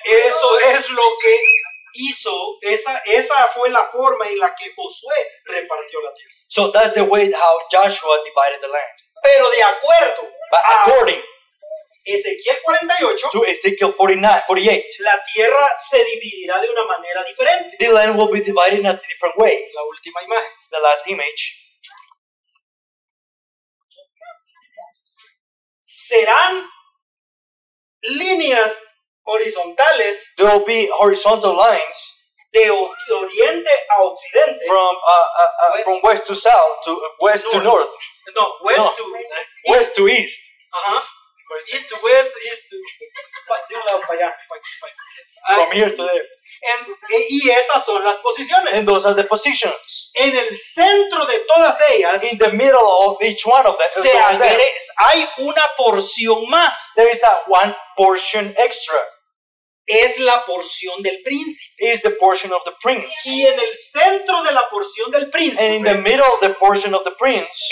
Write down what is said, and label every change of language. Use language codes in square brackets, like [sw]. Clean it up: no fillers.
[es] Eso es lo que hizo, esa fue la forma en la que Josué repartió la tierra. [en] So that's the way how Joshua divided the land. [es] Pero de acuerdo [en] But according [es] Ezequiel 48, [en] to Ezekiel 48, [es] la tierra se dividirá de una manera diferente. [en] The land will be divided in a different way. [es] La última imagen. [en] The last image. [es] Serán líneas horizontales. [en] There will be horizontal lines. [es] De oriente a occidente. [en] From west to south, to west north. To north. No, west no. To west to east. Uh-huh. East to west, east to [es] de un lado para allá. [en] From here to there. [es] Y esas son las posiciones. [en] And those are the positions. [es] En el centro de todas ellas. [en] In the middle of each one of them. [es] Hay una porción más. [en] There is a one portion extra. [es] es la porción del príncipe. [en] Is the portion of the prince. [es] Y en el centro de la porción del príncipe. [en] And in the middle of the portion of the prince.